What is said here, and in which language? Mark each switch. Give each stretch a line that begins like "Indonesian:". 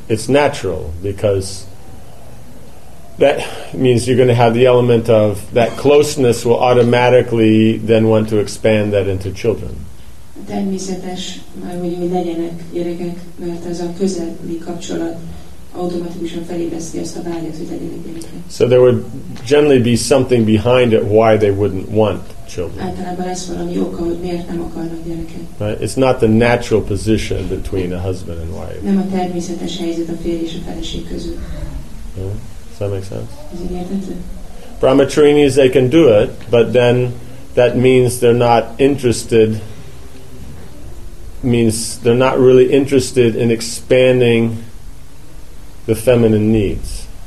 English: It's natural, because that means you're going to have the element of that closeness will automatically then want to expand that into children.
Hungarian: Természetes, hogy legyenek gyerekek, mert ez a közeli kapcsolat automatikusan felébeszti azt a vágyat, hogy legyenek gyerekek.
English: So there would generally be something behind it why they wouldn't want children.
Hungarian: Általában ez valami oka, hogy miért nem akarnak gyerekek.
English: It's not the natural position between a husband and wife.
Hungarian: Nem a természetes helyzet a férj és a feleség között.
English: Yeah. Does that make sense?
Hungarian: Ez így értető?
English: Brahmacharinis, they can do it, but then that means they're not interested. Means they're not really interested in expanding the feminine needs.